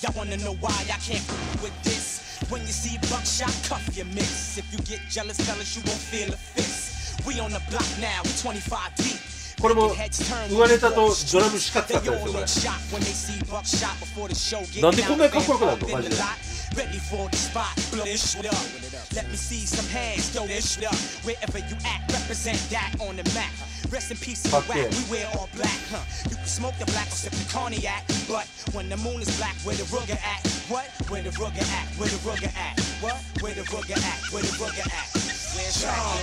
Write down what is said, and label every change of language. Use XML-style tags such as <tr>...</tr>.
<en>Y'all wanna know why I can't fool with this? When you see buckshot, cuff your miss. If you get jealous, tell us you won't feel a fist. We on the block now, we 25 deep.</en> <ja>これも上ネタとドラムしか使ってないですよ、これ。なんでこんなにかっこよくなるの、マジで。</ja> <en>Ready for the spot, blow this shit up. Let me see some hands, throw this shit up. Wherever you at, represent that on the map. Rest in peace, whack, we wear all black, huh? You can smoke the black or sip the cognac. But when the moon is black, where the rugger at? What? Where the rugger at? Where the rugger at? What? Where the rugger at? Where the rugger at? Where's that?</en>